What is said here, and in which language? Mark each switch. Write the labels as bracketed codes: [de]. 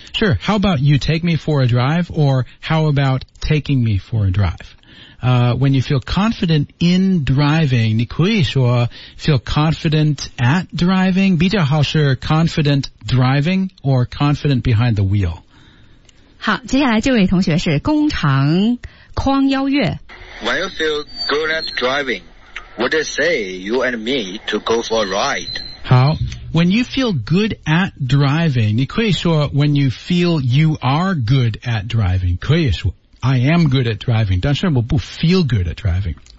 [en] Sure, how about you take me for a drive or how about taking me for a drive? When you feel confident in driving, [zh] 你可以说 [en] feel confident at driving, [zh] 比较好是 [en] confident driving or confident behind the wheel. [zh] 好接下来这位同学是工厂匡邀月。 [en] When you feel good at driving, would they say you and me to go for a ride? 好When you feel good at driving, [zh] 你可以说 [en] when you feel you are good at driving, [zh] 可以说 [en] I am good at driving, [zh] 但是我不 [en] feel good at driving.